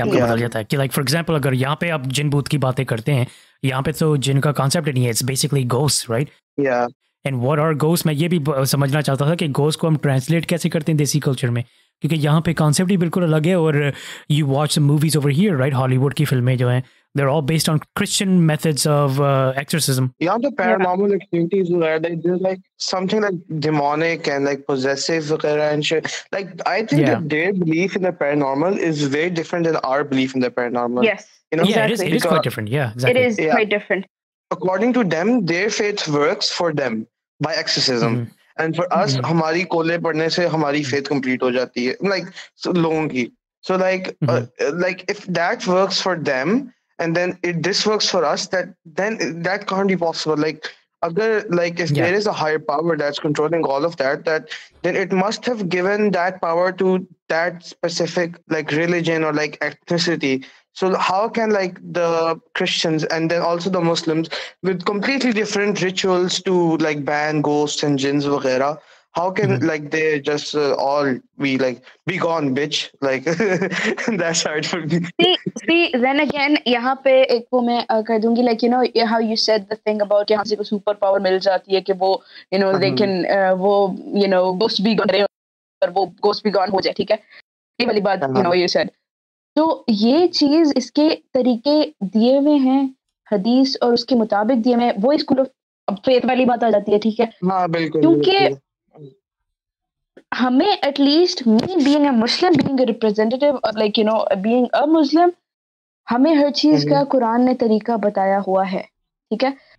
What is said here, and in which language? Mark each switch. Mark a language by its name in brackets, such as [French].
[Hindi] आपको बदल जाता है कि [English] like, for example, [Hindi] अगर यहाँ पे आप जिन भूत की बातें करते हैं, यहाँ पे तो जिन का concept नहीं है, [English] it's basically ghosts, right? Yeah. And what are ghosts? [Hindi] मैं ये भी समझना चाहता था कि ghosts को हम translate कैसे करते हैं देसी culture में, क्योंकि यहाँ पे concept ही बिल्कुल अलग है. [English] और you watch the movies over here, right? [Hindi] Hollywood की फिल्में जो हैं, [English] they're all based on Christian methods of exorcism. Yeah, the paranormal activities where they do like something like demonic and like possessive wagera and shit. Like, I think that their belief in the paranormal is very different than our belief in the paranormal. Yes, you know, yeah, exactly. It is quite different. Yeah, exactly. It is quite different. according to them, their faith works for them by exorcism. Mm. And for us, [Hindi] हमारी कोले पढ़ने से हमारी faith complete हो जाती है, like लोगों की. [English] So like, like if that works for them, and then it this works for us, that then that can't be possible. Like, agar, like if there is a higher power that's controlling all of that, that then it must have given that power to that specific like religion or like ethnicity. So how can like the Christians and then also the Muslims with completely different rituals to like ban ghosts and jinns wagaira, how can like they just all be like, be gone, bitch? Like, that's hard for me. See, then again, [Hindi] yahan pe ek wo main kar dungi, like, you know, [English] how you said the thing about [Hindi] yahan se ko superpower mil jati hai ki wo, you know, [English] they can, [Hindi] wo, you know, [English] ghost be gone, [Hindi] aur wo ghost be gone ho jaye, theek hai? Ye wali baat, [English] you know, you said. [Hindi] तो ये चीज इसके तरीके दिए हुए हैं हदीस और उसके मुताबिक दिए हुए वो स्कूल ऑफ फेथ वाली बात आ जाती है, ठीक है? हाँ, बिल्कुल, क्योंकि हमें [English] at least me being a Muslim [Hindi] being a representative like you know being a मुस्लिम हमें हर चीज का कुरान ने तरीका बताया हुआ है, ठीक है?